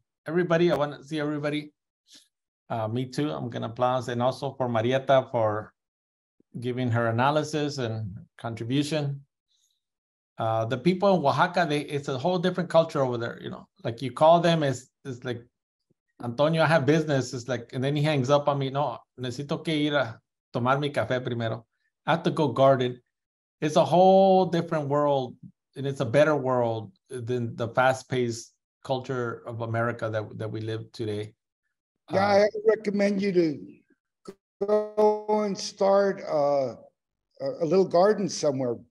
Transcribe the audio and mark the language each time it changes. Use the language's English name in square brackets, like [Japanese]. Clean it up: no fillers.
[English] Everybody, I want to see everybody. Me too. I'm going to applause. And also for Marietta for giving her analysis and contribution. The people in Oaxaca, it's a whole different culture over there. You know, like you call them, it's like, Antonio, I have business. It's like, and then he hangs up on me. [Spanish] No, necesito que ir a tomar mi café primero. [English] I have to go garden. It's a whole different world. And it's a better world than the fast-paced culture of America that we live today. Yeah, I recommend you to go and start a little garden somewhere.